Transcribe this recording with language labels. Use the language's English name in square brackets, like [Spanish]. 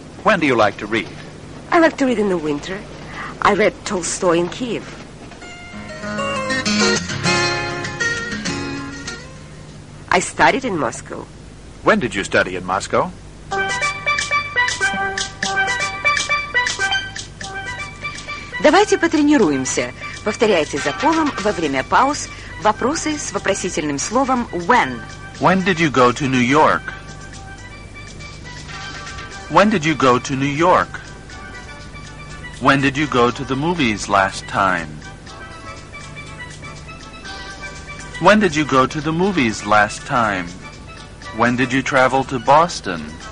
[English] When do you like to read? I like to read in the winter. I read Tolstoy in Kyiv. I studied in Moscow. When did you study in Moscow? [Russian] Давайте потренируемся. Повторяйте за полом во время пауз вопросы с вопросительным словом when. [English] When did you go to New York? When did you go to New York? When did you go to the movies last time? When did you go to the movies last time? When did you travel to Boston?